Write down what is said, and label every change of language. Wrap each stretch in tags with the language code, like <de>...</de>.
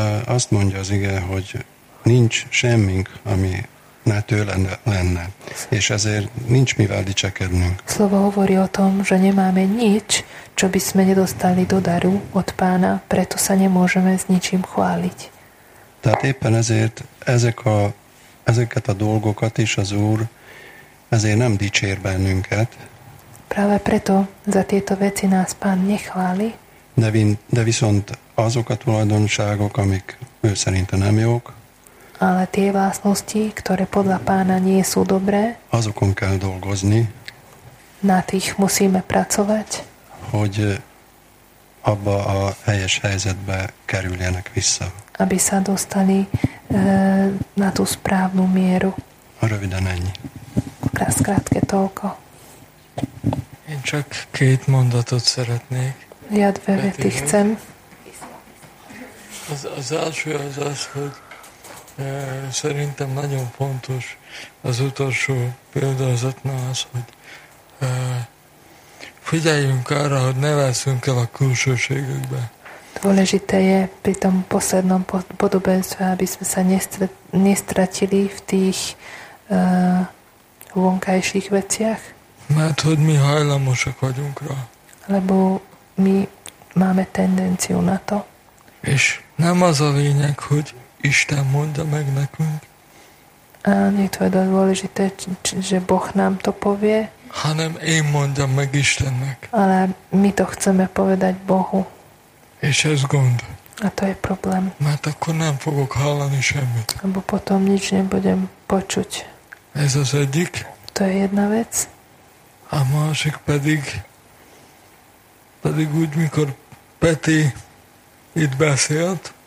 <hu>Azt mondja az ige, hogy nincs semmink, ami ne tőle lenne. És ezért nincs mivel dicsekednünk.</hu> <sk>Slovo hovorí o tom, že nemáme nič, čo by sme nedostali do daru od Pána, preto sa nemôžeme s ničím chváliť.</sk> <hu>Tehát éppen ezért ezeket a dolgokat is az Úr ezért nem dicsér bennünket.</hu> <sk>Práve preto za tieto veci nás Pán nechváli.</sk> <hu>De viszont azok a tulajdonságok, amik ő szerinte nem jók,</hu> <sk>ale tie vlastnosti, ktoré podľa Pána nie sú dobré,</sk> <hu>azokon kell dolgozni,</hu> <sk>na tých musíme pracovať,</sk> <hu>hogy abba a helyes helyzetbe kerüljenek vissza,</hu> <sk>aby sa dostali na tú správnu mieru.</sk> <hu>A röviden ennyi.</hu> <sk>Krátke toľko.</sk> <hu>Én csak két mondatot szeretnék.</hu> <sk>Ja dve vety chcem.</sk> <hu>Az első az az, hogy szerintem nagyon fontos az utolsó példázatnál az, hogy figyeljünk arra, hogy ne veszünk el a külsőségükbe.</hu> <sk>Dôležité je pri tom poslednom podobenstve, aby sme sa nestratili v tých vonkajších veciach.</sk> <hu>Mert hogy mi hajlamosak vagyunk rá.</hu> <sk>Lebo mi máme tendenciu na to.</sk> <hu>És nem az a lényeg, hogy Isten mondja meg nekünk.</hu> <sk>A nie to je dôležité, že Boh nám to povie.</sk> <hu>Hanem én mondjam meg Istennek.</hu> <sk>Ale my to chceme povedať Bohu.</sk> <hu>És ez gond.</hu> <sk>A to je problém.</sk> <hu>Mert akkor nem fogok hallani semmit.</hu> <sk>Abo potom nič nebudem počuť.</sk> <hu>Ez az egyik.</hu> <sk>To je jedna vec.</sk> <hu>A másik pedig úgy, mikor Peti itt beszélt.</hu>